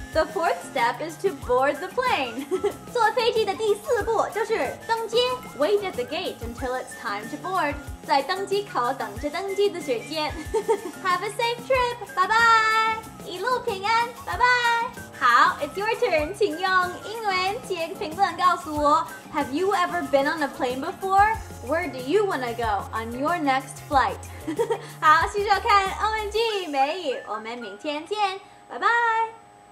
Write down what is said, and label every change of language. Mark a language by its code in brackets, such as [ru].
[en] The fourth step is to board the plane. [zh] 坐飞机的第四步就是登机。 [en] Wait at the gate until it's time to board. [zh] 在登机口等着登机的时间。 [en] Have a safe trip, [zh] 拜拜。一路平安，拜拜。好， [en] it's your turn, [zh] 请用英文写个评论告诉我。 [en] Have you ever been on a plane before? Where do you want to go on your next flight? [zh] 好，谢谢收看 OMG 美语，我们明天见，拜拜。